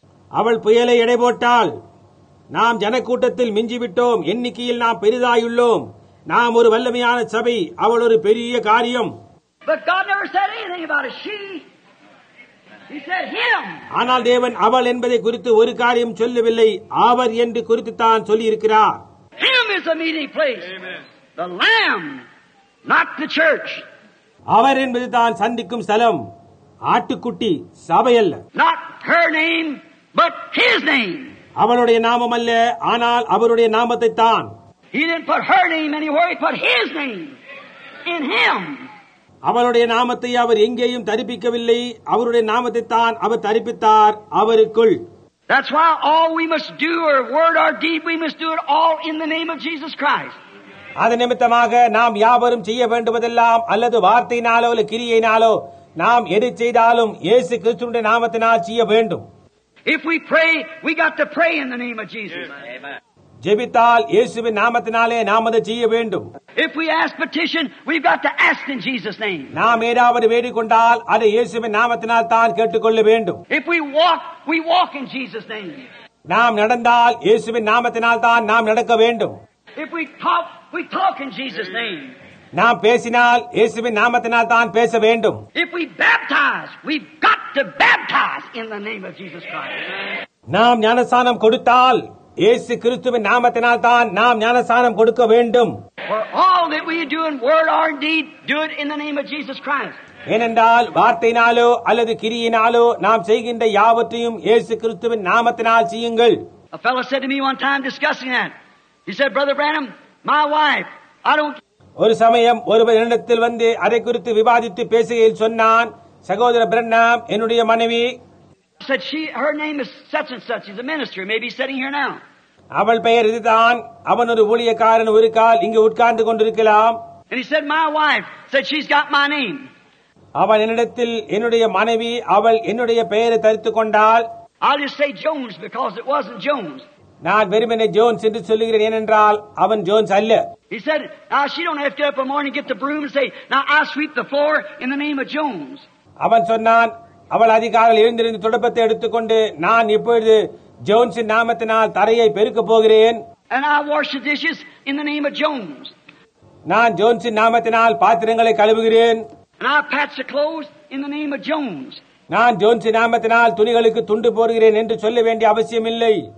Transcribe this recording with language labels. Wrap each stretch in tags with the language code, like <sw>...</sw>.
<ta>அவள் புயலை எடை போட்டால், நாம் ஜனக்கூட்டத்தில் மிஞ்சிவிட்டோம், எண்ணிக்கையில் நாம் பெரிதாயுள்ளோம், நாம் ஒரு வல்லமையான சபை, அவள் ஒரு பெரிய காரியம்.</ta> <en>But God never said anything about a she. He said him.</en> <ta>ஆனால் தேவன் அவள் என்பதை குறித்து ஒரு காரியம் சொல்லவில்லை, அவர் என்று குறித்து தான் சொல்லியிருக்கிறார்.</ta> <en>Him is the meeting place. The lamb, not the church.</en> <ta>அவர் என்பது தான் சந்திக்கும் ஸ்தலம், ஆட்டுக்குட்டி சபையல்ல.</ta> <en>Not her name, but his name.</en> <ta>அவளுடைய நாமம் அல்ல, ஆனால் அவருடைய நாமத்தை தான்.</ta> <en>He didn't put her name anywhere, he put his name in him.</en> <ta>அவருடைய நாமத்தை அவர் எங்கேயும் தரிப்பிக்கவில்லை, அவருடைய நாமத்தை தான் அவர் தரிப்பித்தார் அவருக்குள்.</ta> <en>That's why all we must do, our word or deed, we must do it all in the name of Jesus Christ.</en> <ta>அது நிமித்தமாக நாம் யாவரும் செய்ய வேண்டுவதெல்லாம், அல்லது வார்த்தையினாலோ அல்லது கிரியையினாலோ, நாம் எது செய்தாலும் இயேசு கிறிஸ்துவின் நாமத்தினால் செய்ய வேண்டும்.</ta> <en>If we pray, we got to pray in the name of Jesus. Amen.</en> <ta>ஜெபித்தால் இயேசுவின் நாமத்தினாலே நாம் அதை செய்ய வேண்டும்.</ta> <en>If we ask petition, we've got to ask in Jesus' name.</en> <ta>நாம் ஏதாவது வேண்டிக் கொண்டால் அதை இயேசுவின் நாமத்தினால் தான் கேட்டுக்கொள்ள வேண்டும்.</ta> <en>If we walk, we walk in Jesus' name.</en> <ta>நாம் நடந்தால் இயேசுவின் நாமத்தினால் தான் நாம் நடக்க வேண்டும்.</ta> <en>If we talk, we talk in Jesus' name.</en> <ta>நாம் பேசினால் இயேசுவின் நாமத்தினால் தான் பேச வேண்டும்.</ta> <en>If we baptize, we've got to baptize in the name of Jesus Christ.</en> <ta>நாம் ஞானஸ்நானம் கொடுத்தால் இயேசு கிறிஸ்துவின் நாமத்தினால் தான் நாம் ஞானஸ்நானம் கொடுக்க வேண்டும்.</ta> <en>For all that we do in word or deed, do it in the name of Jesus Christ.</en> <ta>ஏனென்றால் வார்த்தையினாலோ அல்லது கிரியினாலோ நாம் செய்கின்ற யாவற்றையும் இயேசு கிறிஸ்துவின் நாமத்தினால் செய்யுங்கள்.</ta> <en>A fellow said to me one time discussing that. He said, Brother Branham, my wife, I don't...</en> <ta>ஒரு சமயம் ஒருவர் இடத்தில் வந்து அதை குறித்து விவாதித்து பேசுகையில் சொன்னான், சகோதர பிரண்ணம், என்னுடைய மனைவி,</ta> <en>said she, her name is such and such, she's a minister, maybe sitting here now.</en> <ta>அவள் பெயர் இதுதான், அவன் ஒரு ஊழியக்காரன், ஒரு கால் இங்கு உட்கார்ந்து கொண்டிருக்கலாம்.</ta> <en>And he said, my wife said she's got my name.</en> <ta>அவள் என்னிடத்தில் என்னுடைய மனைவி அவள் என்னுடைய பெயரை தரித்துக் கொண்டால்</ta> <en>I'll just say Jones because it wasn't Jones.</en> <ta>நான் வெறுமனே ஜோன்ஸ் என்று சொல்லுகிறேன் ஏனென்றால் அவன் ஜோன்ஸ் அல்ல.</ta> <en>He said, now she don't have to get up in the morning, get the broom and say, now I sweep the floor in the name of Jones.</en> <ta>அவன் சொன்னான், அவள் அதிகாலையில் எழுந்திருந்து துடுப்பத்தை எடுத்துக்கொண்டு நான் இப்பொழுது ஜோன்ஸின் நாமத்தினால் தரையை பெருக்கப் போகிறேன்.</ta> <en>And I wash the dishes in the name of Jones.</en> <ta>நான் ஜோன்ஸின் நாமத்தினால் பாத்திரங்களை கழுவுகிறேன்.</ta> <en>And I patch the clothes in the name of Jones.</en> <ta>நான் ஜோன்ஸின் நாமத்தினால் துணிகளுக்கு துண்டு போடுகிறேன் என்று சொல்ல வேண்டிய அவசியம் இல்லை.</ta>